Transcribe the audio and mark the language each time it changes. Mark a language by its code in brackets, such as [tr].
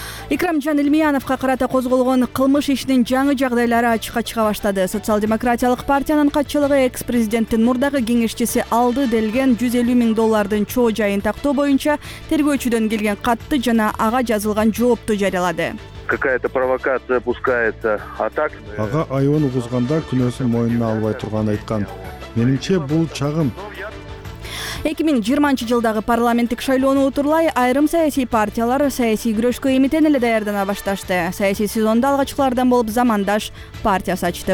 [ky] Икрамжан Илмияновка карата козголгон кылмыш ишинин жаңы жагдайлары ачыкка чыга баштады. Социал-демократиялык партиянын катчылыгы экс-президенттин мурдагы кеңешчиси алды делген 150 миң доллардын чоо жайын тактоо боюнча тергөөчүдөн келген катты жана ага жазылган жоопту жарыялады. [ru] Какая-то провокация пускается. А так [ky] ага айыбын угузганда күнөөсүн мойнуна албай турганын айткан. Менимче бул чагым. 2020 жылдагы парламенттик шайлоону утурлай, айрым саясий партиялар саясий күрөшкө эмитен эле даярдана башташты. Саясий сезондо алгачкылардан болуп Замандаш партиясы ачты.